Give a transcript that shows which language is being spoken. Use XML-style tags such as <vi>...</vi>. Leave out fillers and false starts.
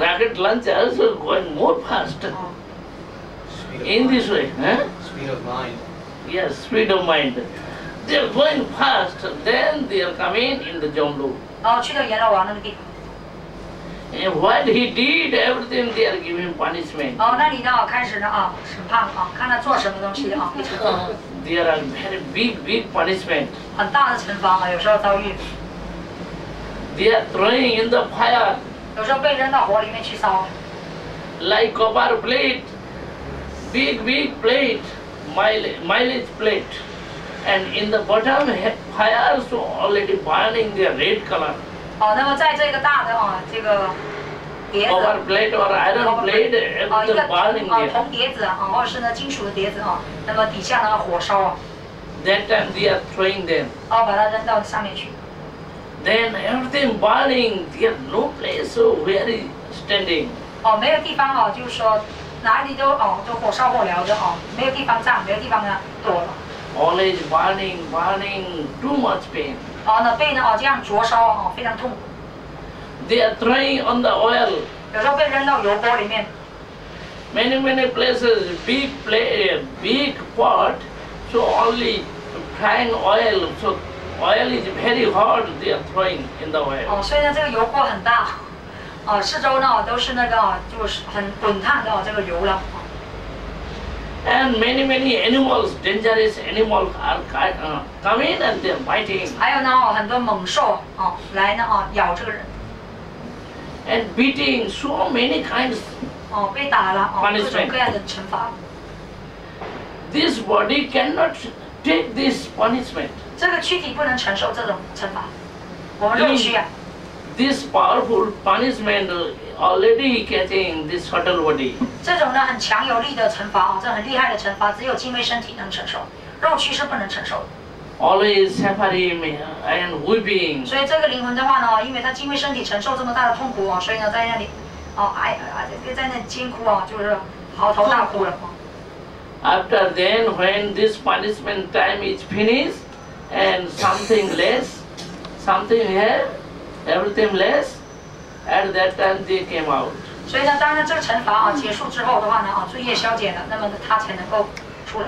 <en>Rocket launch also going more fast.、哦、in this way, Speed of mind. Yes, speed of mind. They are going fast, then they are coming in the Jomblu.</en> <zh>哦，去到阎罗王那个地方。</zh> <en>And what he did, everything they are giving punishment.</en> <zh>哦，那你到开始呢啊，审判啊，看他做什么东西啊。</zh> <en>There are very big punishment.</en> <zh>很大的惩罚啊，有时候遭遇。</zh> <en>They are throwing in the fire.</en> <zh>有时候被扔到火里面去烧。</zh> <en>Like copper plate, big plate, mileage plate, and in the bottom fire so already burning the red color.</en> <zh>哦，那么在这个大的啊、哦，这个碟子</zh> <en>，copper plate or iron plate，</en> <zh>啊、一个啊、铜碟子啊，或者是呢金属的碟子啊、哦，那么底下呢火烧啊。</zh> <en>That time they are throwing them。</en> <zh>哦，把它扔到上面去。</zh> <en>Then everything burning, there are no place where is standing。</en> <zh>哦，没有地方啊、哦，就是说哪里都哦都火烧火燎的啊、哦，没有地方站，没有地方呢躲了。</zh> <en>All is burning, too much pain。</en> <zh>哦，那被呢？哦，这样灼烧哦，非常痛。</zh> <en>They are throwing on the oil。</en> <zh>有时候被扔到油锅里面。</zh> <en>Many places, big pot, so only frying oil, so oil is very hot. They are throwing in the oil。</en> <zh>哦，所以呢，这个油锅很大，哦，四周呢都是那个就是很滚烫的这个油了。</zh> <en>And many animals, dangerous animals are coming and they're biting.</en> <zh>还有呢，很多猛兽啊、哦，来呢啊、哦，咬这个人。</zh> <en>And beating so many kinds.</en> <zh>哦，被打了哦，各种各样的惩罚。</zh> <en>This body cannot take this punishment.</en> <zh>这个躯体不能承受这种惩罚，我们肉躯啊。</zh> <en>This powerful punishment already getting this subtle body.</en> <zh>这种呢很强有力的惩罚啊，这很厉害的惩罚，只有精微身体能承受，肉躯是不能承受的。</zh> <en>Always suffering and weeping.</en> <zh>所以这个灵魂的话呢，因为他精微身体承受这么大的痛苦啊，所以呢在那里，哦，哎哎，在那尖哭啊，就是嚎啕大哭了。</zh> <en>After then, when this punishment time is finished, and something less, at that time they came out.</en> <zh>所以呢，当然这个惩罚啊结束之后的话呢，啊罪业消减了，那么他才能够出来。</zh>